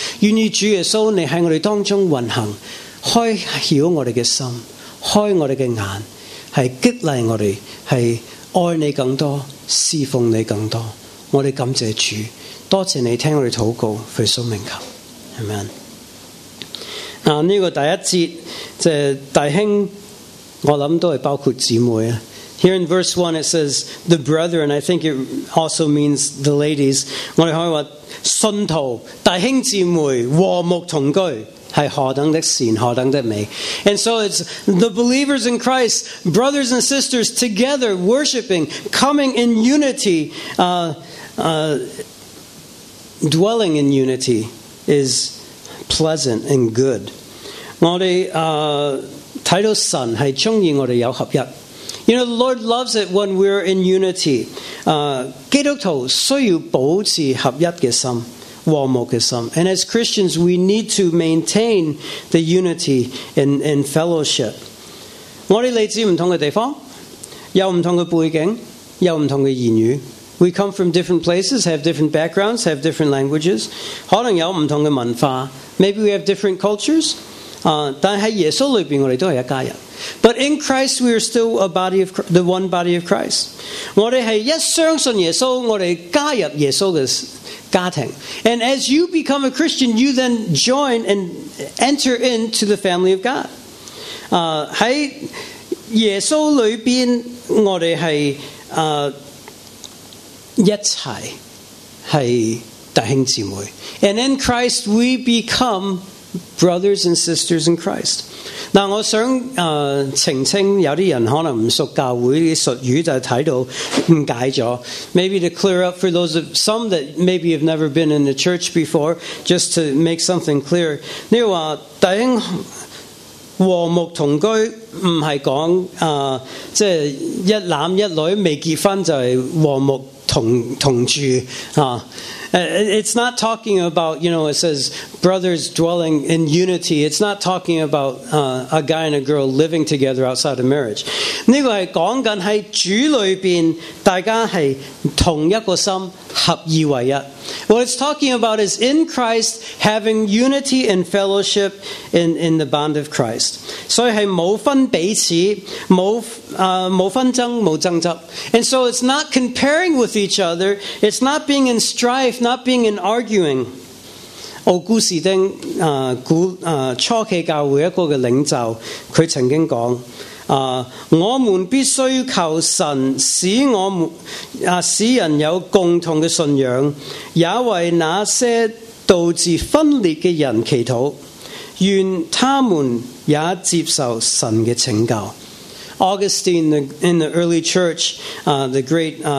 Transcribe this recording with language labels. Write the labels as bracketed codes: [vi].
[zh] 愿意主耶稣你喺我哋当中运行，开晓我哋嘅心，开我哋嘅眼，系激励我哋，系爱你更多，侍奉你更多。我哋感谢主，多谢你听我哋祷告，奉主名求，阿门。啊，呢个第一节就是、弟兄，我谂都系包括姊妹啊。 [en] Here in verse 1 it says the brethren, I think it also means the ladies. [zh] 我哋可以话信徒、弟兄姊妹和睦同居。是何等的善，何等的美。 [en] And so it's the believers in Christ, brothers and sisters, together worshiping, coming in unity, dwelling in unity is pleasant and good. [zh] 我们看到神是喜欢我们有合一。 [en] You know, the Lord loves it when we're in unity. [zh] 基督徒需要保持合一的心。 [en] And as Christians, we need to maintain the unity in fellowship. [zh] 我们来自不同的地方，有不同的背景，有不同的言语。 [en] We come from different places, have different backgrounds, have different languages. [zh] 可能有不同的文化。 [en] Maybe we have different cultures. [zh] 但在耶稣里面我们都是一家人。 [en] But in Christ, we are still the one body of Christ. [zh] 我们是一相信耶稣，我们加入耶稣的家庭。 [en] And as you become a Christian, you then join and enter into the family of God. [zh] 在耶稣里边，我们是一起，是弟兄姊妹。 [en] And in Christ, we become brothers and sisters in Christ. [zh] 但我想澄清，有些人可能不熟教会的术语，就看到误解了。 [en] Maybe to clear up for those of some that maybe have never been in the church before, just to make something clear. [zh] 你说弟兄和睦同居，不是说即是一男一女未结婚就是和睦同住啊。 [en] It's not talking about, you know, it says brothers dwelling in unity. It's not talking about a guy and a girl living together outside of marriage. [zh] 这个是讲紧在主里面大家是同一个心，合意为一。 [en] What it's talking about is in Christ having unity and fellowship in the bond of Christ. [zh] 所以是没分彼此，没纷争，没争执。 [en] And so it's not comparing with each other. It's not being in strife, not being in arguing. [zh] 奥古斯丁初期教会一个的领袖，他曾经说我们必须求神使我们使人有共同的信仰，也为那些导致分裂的人祈祷，愿他们也接受神的拯救。 [en] Augustine in the early church, the great